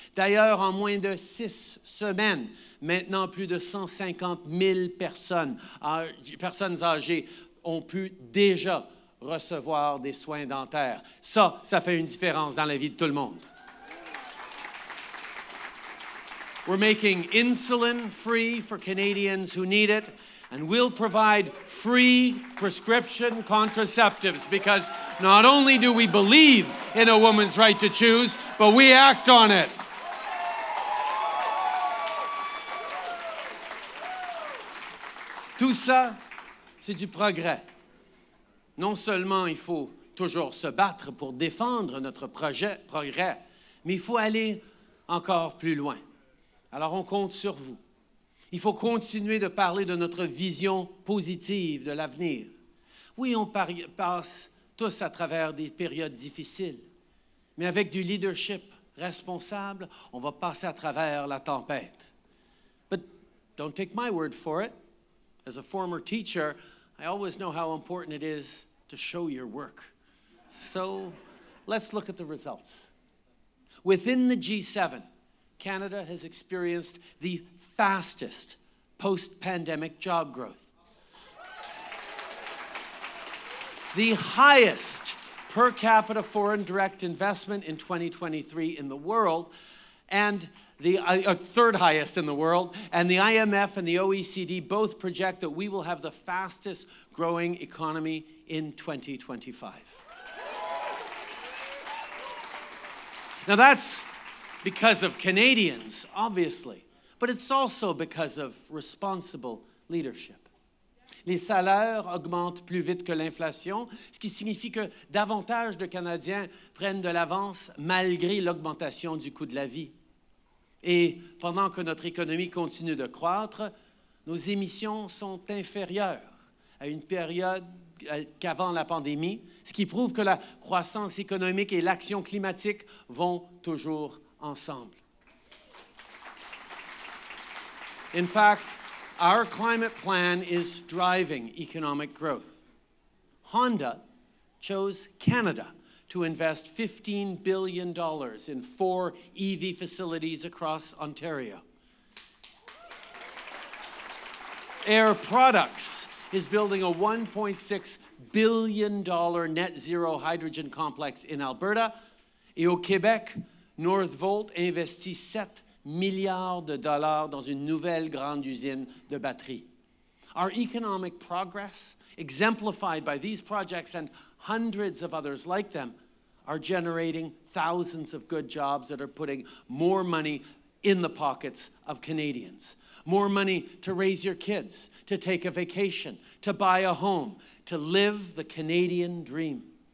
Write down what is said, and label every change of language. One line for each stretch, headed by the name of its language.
French: D'ailleurs, en moins de 6 semaines, maintenant plus de 150 000 personnes âgées ont pu déjà recevoir des soins dentaires. Ça, ça fait une différence dans la vie de tout le monde.
English: We're making insulin free for Canadians who need it, and we'll provide free prescription contraceptives because not only do we believe in a woman's right to choose, but we act on it.
French: Tout ça, c'est du progrès. Non seulement il faut toujours se battre pour défendre notre projet progrès, mais il faut aller encore plus loin. Alors, on compte sur vous. Il faut continuer de parler de notre vision positive de l'avenir. Oui, on passe tous à travers des périodes difficiles, mais avec du leadership responsable, on va passer à travers la tempête.
English: But don't take my word for it. As a former teacher, I always know how important it is to show your work. So, let's look at the results. Within the G7, Canada has experienced the fastest post-pandemic job growth. The highest per capita foreign direct investment in 2023 in the world, and the third highest in the world, and the IMF and the OECD both project that we will have the fastest growing economy in 2025. Now that's because of Canadians, obviously, but it's also because of responsible leadership.
French: Les salaires augmentent plus vite que l'inflation, ce qui signifie que davantage de Canadiens prennent de l'avance malgré l'augmentation du coût de la vie. Et pendant que notre économie continue de croître, nos émissions sont inférieures à une période qu'avant la pandémie, ce qui prouve que la croissance économique et l'action climatique vont toujours ensemble.
English: In fact, our climate plan is driving economic growth. Honda chose Canada to invest $15 billion in 4 EV facilities across Ontario. Air Products is building a $1.6 billion net zero hydrogen complex in Alberta.
French: Et au Québec, Northvolt investit $7 milliards dans une nouvelle grande usine de batteries.
English: Our economic progress, exemplified by these projects and hundreds of others like them, are generating thousands of good jobs that are putting more money in the pockets of Canadians. More money to raise your kids, to take a vacation, to buy a home, to live the Canadian dream.